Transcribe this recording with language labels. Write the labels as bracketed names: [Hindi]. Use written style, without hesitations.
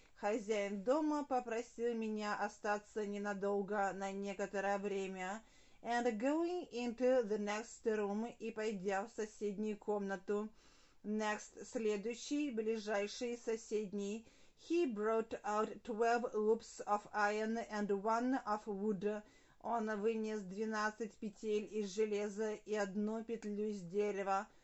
[Russian] Хозяин дома попросил меня остаться ненадолго, на некоторое время. [English] And going into the next room, [Russian] и пойдя в соседнюю комнату. Next, следующий, ближайший, соседний. [English] He brought out 12 loops of iron and one of wood. [Russian] Он вынес 12 петель из железа и одну петлю из дерева.